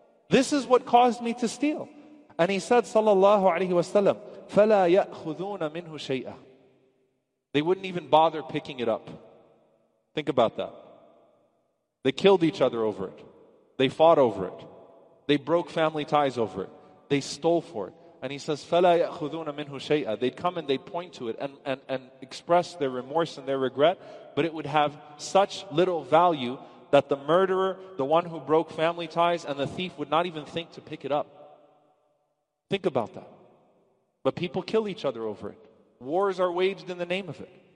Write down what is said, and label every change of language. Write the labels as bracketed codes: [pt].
[en] This is what caused me to steal. And he said, sallallahu alayhi wa sallam, [ar] فَلَا يَأْخُذُونَ مِنْهُ شَيْئًا. [en] They wouldn't even bother picking it up. Think about that. They killed each other over it. They fought over it. They broke family ties over it. They stole for it. And he says, [ar] فَلَا يَأْخُذُونَ مِنْهُ شَيْئًا. [en] They'd come and they'd point to it and express their remorse and their regret, but it would have such little value that the murderer, the one who broke family ties, and the thief would not even think to pick it up. Think about that. But people kill each other over it. Wars are waged in the name of it.